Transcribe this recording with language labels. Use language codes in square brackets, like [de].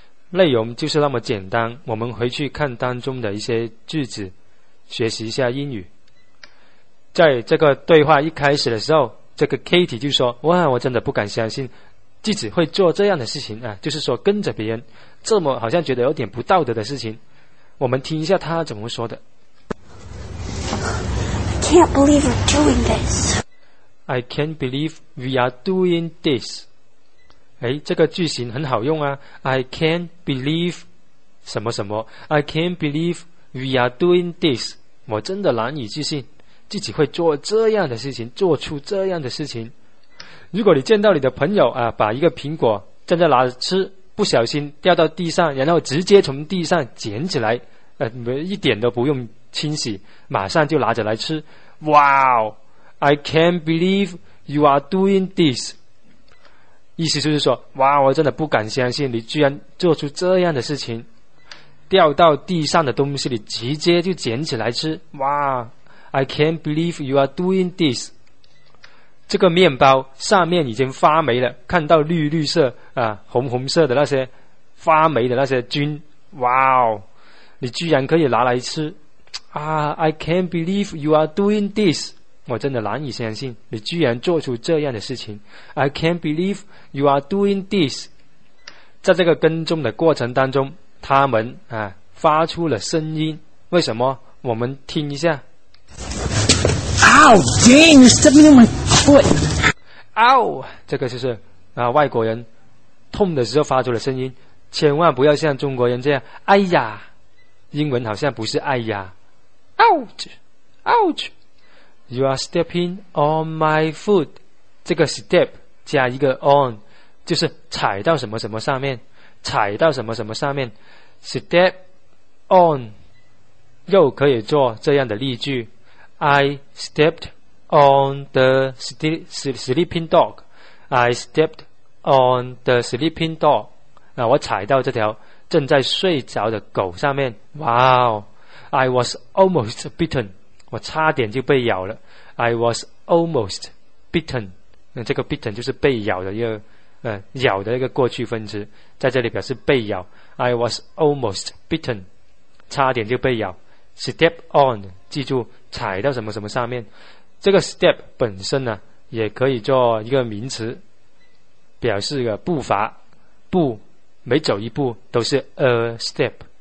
[zh] 内容就是那么简单，我们回去看当中的一些句子学习一下英语。在这个对话一开始的时候，这个 Katie 就说哇，我真的不敢相信自己会做这样的事情就是说跟着别人这么好像觉得有点不道德的事情。我们听一下他怎么说的。 [en] Can't believe we're doing this. I can't believe we are doing this. [zh] 这个句型很好用 [en] I can't believe [zh] 什么什么 [en] I can't believe we are doing this. [zh] 我真的难以置信自己会做这样的事情，做出这样的事情。如果你见到你的朋友把一个苹果正在拿着吃，不小心掉到地上，然后直接从地上捡起来一点都不用清洗，马上就拿着来吃。 [en] Wow, I can't believe you are doing this. [zh] 意思就是说，哇，我真的不敢相信你居然做出这样的事情。掉到地上的东西，你直接就捡起来吃。 [en] Wow, I can't believe you are doing this. [zh] 这个面包上面已经发霉了，看到绿绿色啊，红红色的那些发霉的那些菌，哇哦，你居然可以拿来吃啊 ！ [en] I can't believe you are doing this， [zh] 我真的难以相信你居然做出这样的事情。 [en] I can't believe you are doing this。 [zh] 在这个跟踪的过程当中，他们啊发出了声音，为什么？我们听一下。 [en] Ow, dang, you're stepping on my foot. [zh] Ow, 这个就是啊外国人痛的时候发出的声音，千万不要像中国人这样，哎呀，英文好像不是哎呀。 [en] Ouch, ouch, you are stepping on my foot. [zh] 这个 step 加一个 on， 就是踩到什么什么上面，踩到什么什么上面 ， [en] step on。又可以做这样的例句 ：I stepped on the sleeping dog. I stepped on the sleeping dog. [zh] 那我踩到这条正在睡着的狗上面。 [en] Wow! I was almost bitten. [zh] 我差点就被咬了。 [en] I was almost bitten. [zh] 那这个 bitten 就是被咬的一个咬的一个过去分词，在这里表示被咬。 [en] I was almost bitten. [zh] 差点就被咬。 [en] Step on， [zh] 记住踩到什么什么上面。这个 step 本身呢，也可以做一个名词，表示一个步伐，步每走一步都是 [en] a step。